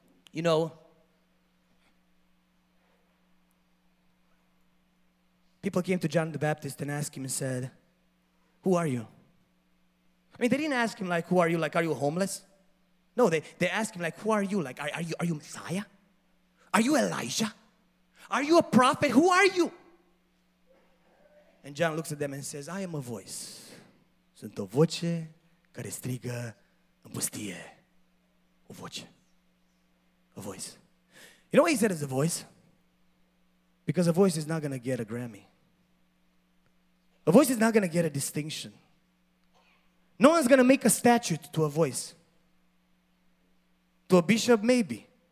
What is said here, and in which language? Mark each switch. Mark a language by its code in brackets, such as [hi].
[en] You know, people came to John the Baptist and asked him and said, who are you? I mean, they didn't ask him like, who are you? Like, are you homeless? No, they asked him like, who are you? Like, are you Messiah? Are you Elijah? Are you a prophet? Who are you? And John looks at them and says, I am a voice. [ro] Sunt o voce care strigă în pustie. O voce. [en] A voice. You know why he said it's a voice? Because a voice is not going to get a Grammy. A voice is not going to get a distinction. No one's going to make a statue to a voice. To a bishop, maybe.